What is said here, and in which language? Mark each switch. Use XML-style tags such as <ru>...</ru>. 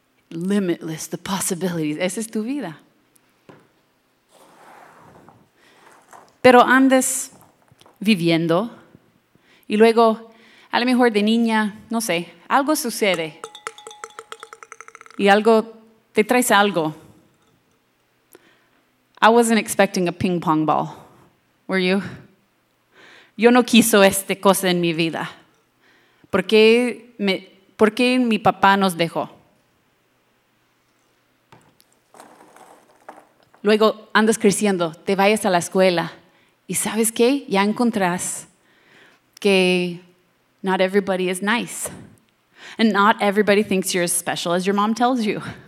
<es>Limitless, the possibilities. Esa es tu vida. Pero andas viviendo y luego, a lo mejor de niña, no sé, algo sucede y algo te traes algo.</es> <en>I wasn't expecting a ping pong ball, were you?</en> <es>Yo no quiso esta cosa en mi vida. ¿Por qué mi papá nos dejó? Luego andas creciendo, te vayas a la escuela y ¿sabes qué? Ya encontrás que</es> <en>not everybody is nice and not everybody thinks you're as special as your mom tells you.</en>